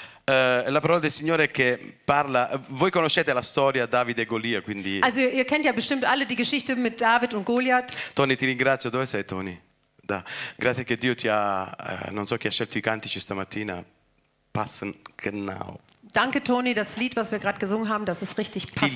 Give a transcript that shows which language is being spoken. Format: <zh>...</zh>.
<it>La parola del Signore che parla, voi conoscete la storia Davide e Golia, quindi.</it> <de>Also ihr kennt ja bestimmt alle die Geschichte mit David und Goliath.</de> <it>Tony, ti ringrazio. Dove sei, Tony? Da. Grazie che Dio ti ha, non so chi ha scelto i cantici stamattina.</it> <de>Passen genau. Danke Toni, das Lied, was wir gerade gesungen haben, das ist richtig passend.</de>